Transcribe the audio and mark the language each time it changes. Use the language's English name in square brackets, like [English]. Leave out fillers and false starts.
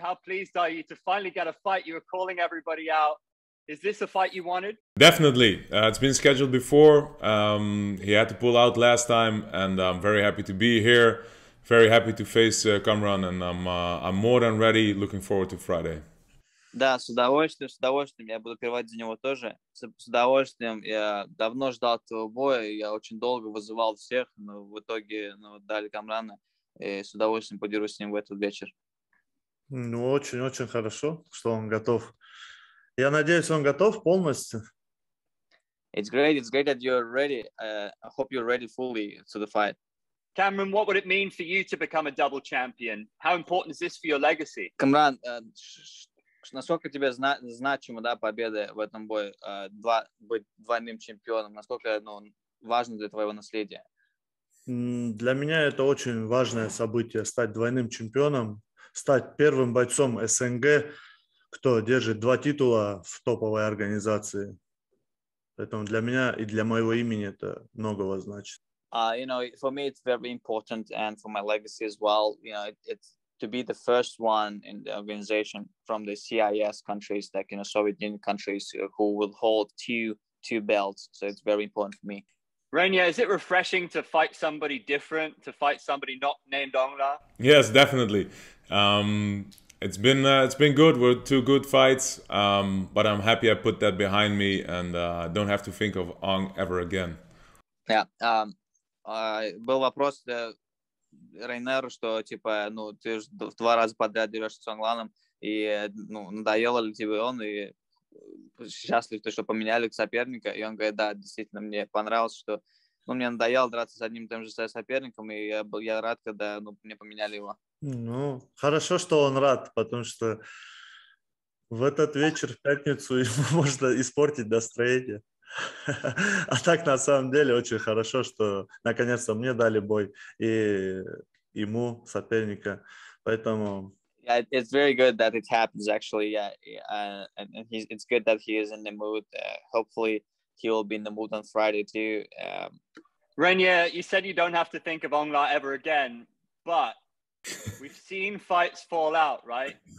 [English] How pleased are you to finally get a fight? You were calling everybody out. Is this a fight you wanted? Definitely. It's been scheduled before. He had to pull out last time, and I'm very happy to be here. Very happy to face Kiamran, and I'm more than ready. Looking forward to Friday. [Russian] Да, с удовольствием я буду кривать за него тоже. С удовольствием я давно ждал этого боя, я очень долго вызывал всех, но в итоге дали Камрана, и с удовольствием подерусь с ним в этот вечер. Ну, очень-очень хорошо, что он готов. Я надеюсь, он готов полностью. [English] It's great that you're ready. I hope you're ready fully to the fight. Kiamran, what would it mean for you to become a double champion? How important is this for your legacy? [Russian] Kiamran, насколько тебе значимо, да, победа в этом бою, быть двойным чемпионом, насколько оно важно для твоего наследия? Для меня это очень важное событие, стать двойным чемпионом, стать первым бойцом СНГ, кто держит два титула в топовой организации. Поэтому для меня и для моего имени это многого значит. [English] For me it's very important, and for my legacy as well, it's to be the first one in the organization from the CIS countries, like Soviet Union countries, who will hold two belts. So it's very important for me. Reinier, is it refreshing to fight somebody different, to fight somebody not named Ongla? Yes, definitely. It's been good. We're two good fights, but I'm happy I put that behind me and don't have to think of Ong ever again. [Russian] Yeah. Был вопрос. Рейнеру, что типа, ты же два раза подряд дерешься с Англаном, и надоело ли тебе он, и счастлив, что поменяли соперника, и он говорит, да, действительно, мне понравилось, что мне надоело драться с одним и тем же соперником, и я рад, когда мне поменяли его. Ну, хорошо, что он рад, потому что в этот вечер, в пятницу, ему можно испортить настроение. А так на самом деле очень хорошо, что наконец-то мне дали бой и ему соперника, поэтому. [English] Yeah, it's very good that it happens actually. Yeah, and he's, it's good that he is in the mood. Hopefully he will be in the mood on Friday too. Reinier, you said you don't have to think of Ongla ever again, but we've seen fights fall out, right?